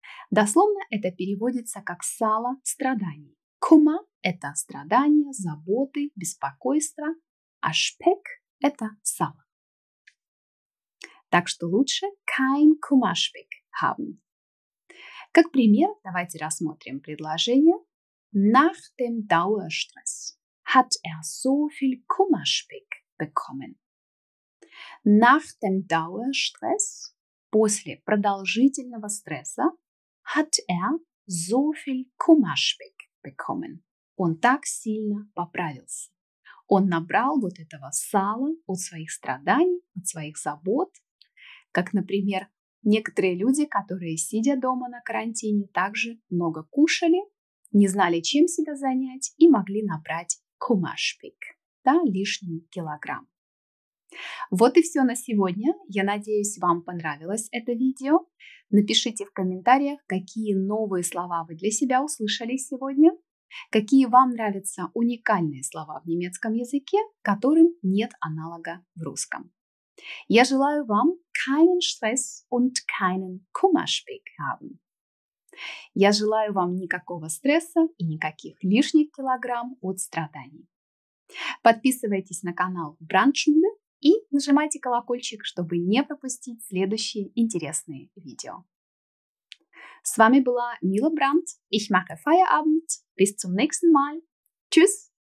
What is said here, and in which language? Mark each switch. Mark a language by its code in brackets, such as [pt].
[ru] Дословно это переводится как сало страданий. Кума – это страдания, заботы, беспокойство, а шпек – это сало. Так что лучше [de] kein Kummerspeck haben. [ru] Как пример, давайте рассмотрим предложение. [de] Nach dem Dauerstress hat so viel Kummerspeck bekommen. Nach dem Dauerstress, [ru] после продолжительного стресса, [de] hat so viel Kummerspeck bekommen. [ru] Он так сильно поправился. Он набрал вот этого сала от своих страданий, от своих забот. Как, например, некоторые люди, которые, сидя дома на карантине, также много кушали, не знали, чем себя занять, и могли набрать Kummerspeck, да, лишний килограмм. Вот и все на сегодня. Я надеюсь, вам понравилось это видео. Напишите в комментариях, какие новые слова вы для себя услышали сегодня, какие вам нравятся уникальные слова в немецком языке, которым нет аналога в русском. Я желаю вам [de] keinen Stress und keinen Kummerspeck haben. [ru] Я желаю вам никакого стресса и никаких лишних килограмм от страданий. Подписывайтесь на канал Brandschule и нажимайте колокольчик, чтобы не пропустить следующие интересные видео. С вами была Мила Бранд. [de] Ich mache Feierabend. Bis zum nächsten Mal. Tschüss!